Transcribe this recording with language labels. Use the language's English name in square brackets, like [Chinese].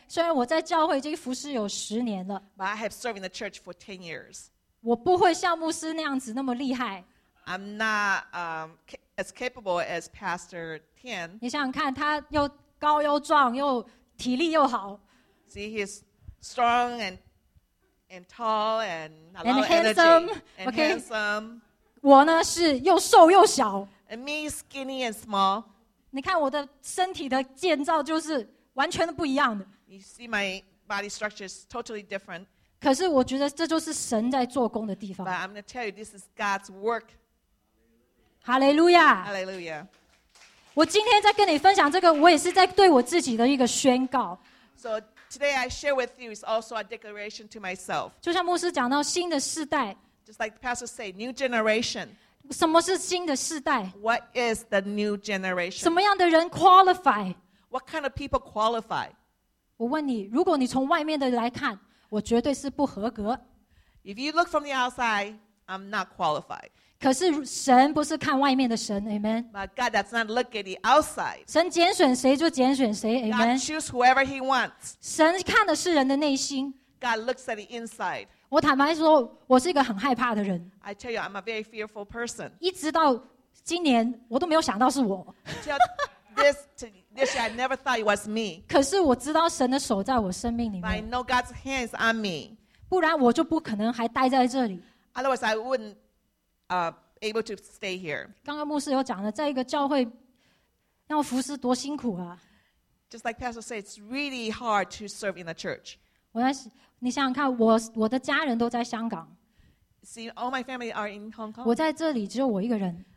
[Chinese] 虽然我在教会已经服侍有十年了。 [English] But I have served in the church for 10 years. [Chinese] 我不会像牧师那样子那么厉害。 [English] I'm not as capable as Pastor Tian. [Chinese] 你想想看，他又高又壮又体力又好 [English] See, he's strong and tall and a lot and of energy handsome, and okay. handsome. [Chinese] 我呢是又瘦又小 [English] And me skinny and small. [Chinese] 你看我的身体的建造就是完全不一样的 [English] You see my body structure is totally different. [Chinese] 可是我觉得这就是神在做工的地方 [English] But I'm going to tell you this is God's work. Hallelujah. Hallelujah. [Chinese] 我今天在跟你分享这个，我也是在对我自己的一个宣告。 [English] So today I share with you is also a declaration to myself. [Chinese] 就像牧师讲到新的世代 [English] ，Just like the pastor say, new generation. [Chinese] 什么是新的世代 [English] ？What is the new generation? [Chinese] 什么样的人 [English] qualify? What kind of people qualify? [Chinese] 我问你，如果你从外面的来看，我绝对是不合格。 [English] If you look from the outside, I'm not qualified. [Chinese] 可是神不是看外面的神 ，Amen. [English] But God does not look at the outside. [Chinese] 神拣选谁就拣选谁 ，Amen. [English] God chooses whoever He wants. [Chinese] 神看的是人的内心。 [English] God looks at the inside. [Chinese] 我坦白说，我是一个很害怕的人。 [English] I tell you, I'm a very fearful person. [Chinese] 一直到今年，我都没有想到是我。 [English] This year, I never thought it was me. [Chinese] 可是我知道神的手在我生命里面。 [English] But I know God's hands on me. [Chinese] 不然我就不可能还待在这里。 [English] Otherwise, I wouldn't, able to stay here. [Chinese] 刚刚牧师有讲的，在一个教会要服侍多辛苦啊。 [English] Just like Pastor said, it's really hard to serve in the church. [Chinese] 我在你想想看，我的家人都在香港。 [English] See, all my family are in Hong Kong. [Chinese] 我在这里只有我一个人。